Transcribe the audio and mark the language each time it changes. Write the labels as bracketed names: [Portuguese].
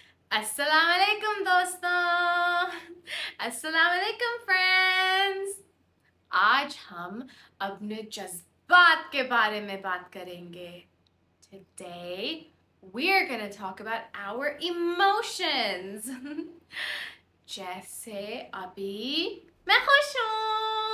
[Urdu] السلام علیکم، دوستو. السلام علیکم، friends. آج ہم اپنے جذبات کے بارے میں بات کریں گے. [English] Today, we're gonna talk about our emotions. [Urdu] جیسے ابھی میں خوش ہوں.